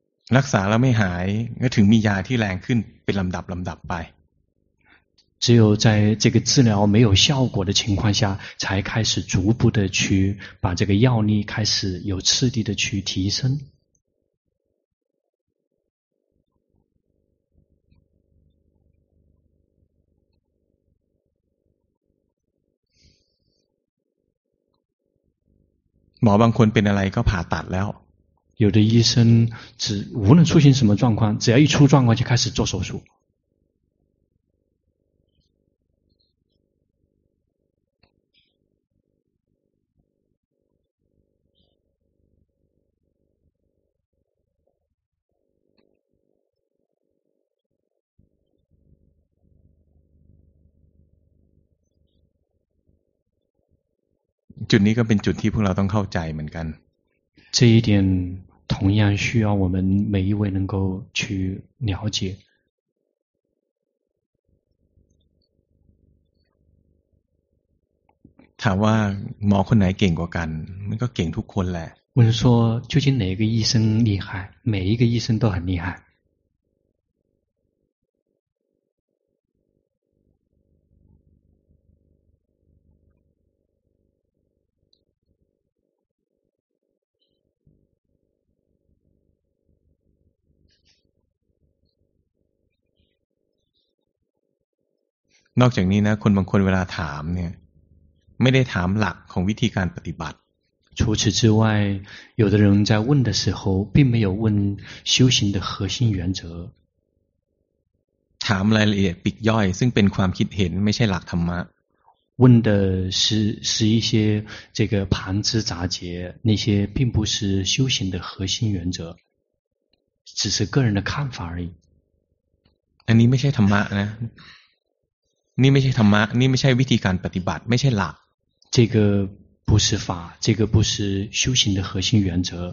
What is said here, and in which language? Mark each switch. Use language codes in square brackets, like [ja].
[th] รักษาแล้วไม่หายก็ถึงมียาที่แรงขึ้นเป็นลำดับไป [zh] 只有在这个治疗没有效果的情况下才开始逐步的去把这个药力开始有次第的去提升 [th] หมอบางคนเป็นอะไรก็ผ่าตัดแล้ว [zh] 有的医生只无论出现什么状况只要一出状况就开始做手术 [th] จุดนี้ก็เป็นจุดที่พวกเราต้องเข้าใจเหมือนกัน [zh] 这一点同样需要我们每一位能够去了解 [th] ถามว่าหมอคนไหนเก่งกว่ากันมันก็เก่งทุกคนแหละ [zh] 问说究竟哪个医生厉害每一个医生都很厉害 [th] นอกจากนี้นะคนบางคนเวลาถามเนี่ยไม่ได้ถามหลักของวิธีการปฏิบัติ [zh] 除此之外有的人在问的时候并没有问修行的核心原则 [th] ถามรายละเอียดปลีกย่อยซึ่งเป็นความคิดเห็นไม่ใช่หลักธรรมะ [zh] 问的是一些这个旁枝杂节那些并不是修行的核心原则只是个人的看法而已 [th] อันนี้ไม่ใช่ธรรมะนะนี่ไม่ใช่ธรรมะนี่ไม่ใช่วิธีการปฏิบัติไม่ใช่หลัก [zh] 这个不是法这个不是修行的核心原则